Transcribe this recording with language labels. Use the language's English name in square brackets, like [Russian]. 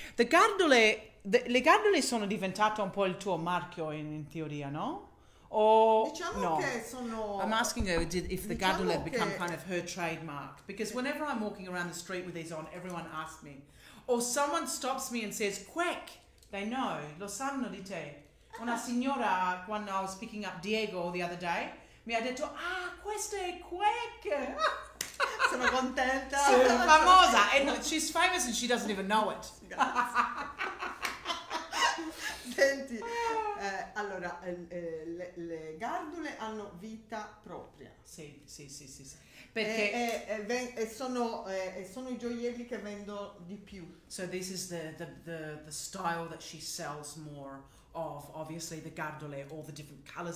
[Italian] Le gardole sono diventate un po' il tuo marchio in teoria, no? Che sono... [English] I'm asking her if the gardola had become kind of her trademark. Because whenever I'm walking around the street with these on, everyone asks me. Or someone stops me and says, quick, they know, [Italian] lo sanno di te. Una signora, [English] when I was picking up Diego the other day, [Italian] mi ha detto, ah, questa è Quack. Sono contenta. Famosa. [English] And she's famous and she doesn't even know it. [Italian] Senti, allora, le gardole hanno vita propria. Sì. Perché sono i gioielli che vendo di più. [English] So this is the style that she sells more of, obviously, the gardole, all the different colors.